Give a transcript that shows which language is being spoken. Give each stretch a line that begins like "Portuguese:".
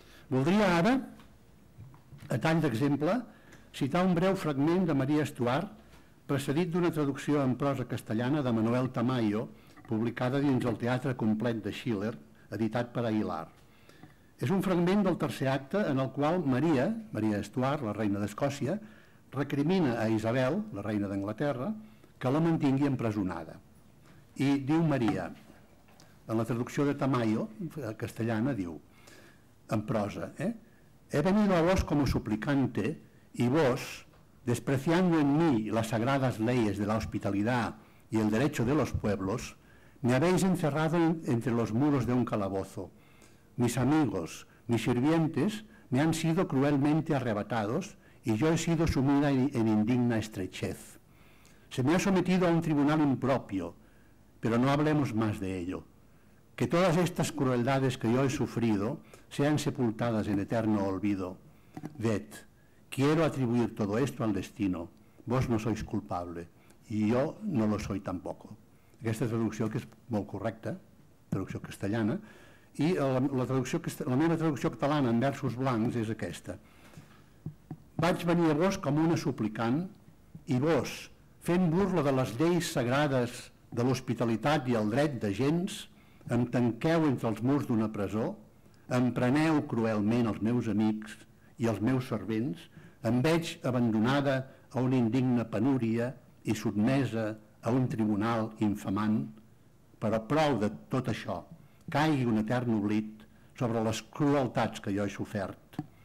Catalan: Voldria ara, a tall d'exemple, citar un breu fragment de Maria Estuart, precedit d'una traducció en prosa castellana de Manuel Tamayo, publicada dins el Teatre Complet de Schiller, editat per Aguilar. És un fragment del tercer acte en el qual Maria Estuart, la reina d'Escòcia, recrimina a Isabel, la reina d'Anglaterra, que la mantingui empresonada. I diu Maria, en la traducció de Tamayo, castellana, diu, en prosa,
Spanish: he venido a vos como suplicante y vos, despreciando en mí las sagradas leyes de la hospitalidad y el derecho de los pueblos, me habéis encerrado entre los muros de un calabozo. Mis amigos, mis sirvientes, me han sido cruelmente arrebatados y yo he sido sumida en indigna estrechez. Se me ha sometido a un tribunal impropio, pero no hablemos más de ello. Que todas estas crueldades que yo he sufrido sean sepultadas en eterno olvido. Ved, quiero atribuir todo esto al destino. Vos no sois culpable y yo no lo soy tampoco.
Catalan: Aquesta traducció, que és molt correcta, traducció castellana, i la meva traducció catalana en versos blancs és aquesta. Vaig venir a vos com una suplicant i vos, fent burla de les lleis sagrades de l'hospitalitat i el dret de gens, em tanqueu entre els murs d'una presó, em preneu cruelment els meus amics i els meus servents, em veig abandonada a una indigna penúria i sotmesa a un tribunal infamant, però prou de tot això, caigui un etern oblit sobre les crueltats que jo he sofert.